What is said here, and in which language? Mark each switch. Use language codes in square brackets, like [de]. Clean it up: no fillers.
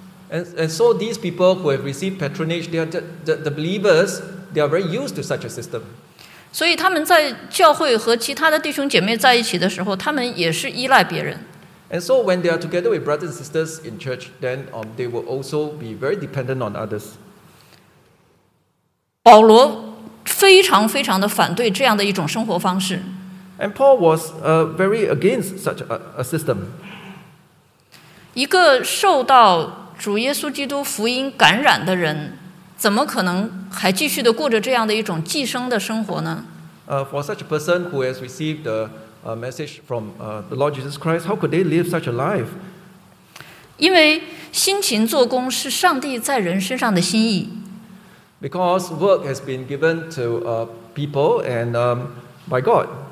[en] And so these people who have received patronage, they are the believers, they are very used to such a system. [zh] 所以他们在教会和其他的弟兄姐妹在一起的时候，他们也是依赖别人。 [en] And so when they are together with brothers and sisters in church, then they will also be very dependent on others. [zh] 保罗非常非常的反对这样的一种生活方式。 [en] And Paul was very against such a system. [zh] 一个受到主耶稣基督福音感染的人，怎么可能还继续的过着这样的一种寄生的生活呢？ [en] For such a person who has received the message from the Lord Jesus Christ, how could they live such a life? [zh] 因为辛勤做工是上帝在人身上的心意。 [en] Because work has been given to people and by God.